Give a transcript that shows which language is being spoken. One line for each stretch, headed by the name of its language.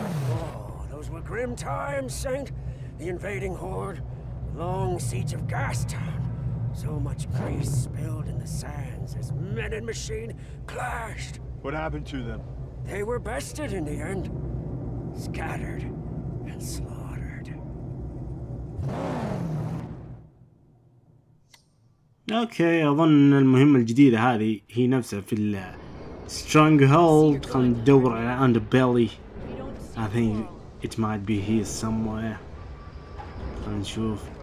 English: Oh, those were grim times, Saint. The invading horde, long siege of Gastown. So much grease spilled in the sands as men and machine clashed. What happened to them? They were bested in the end, scattered and slaughtered.
Arabic: اوكي, اظن المهمه الجديده هذه هي نفسها في ال سترونج هولد. خلينا ندور على اندر بيلي.
English: I think it might be here somewhere.
Arabic: خلينا نشوف.